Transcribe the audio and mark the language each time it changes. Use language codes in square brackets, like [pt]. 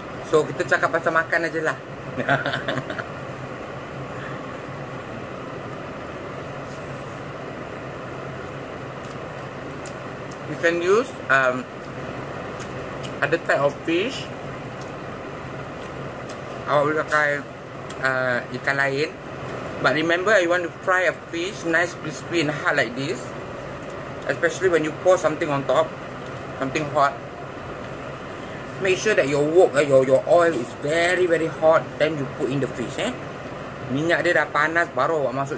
[ms] So kita cakap pasal makan aje lah. [en] You can use other type of fish. [ms] Awak boleh pakai ikan lain. [en] But remember, you want to fry a fish nice, crispy and hot like this. Especially when you pour something on top, something hot. Make sure that your wok, your oil is very very hot. Then you put in the fish eh. [ms] Minyak dia dah panas baru awak masuk.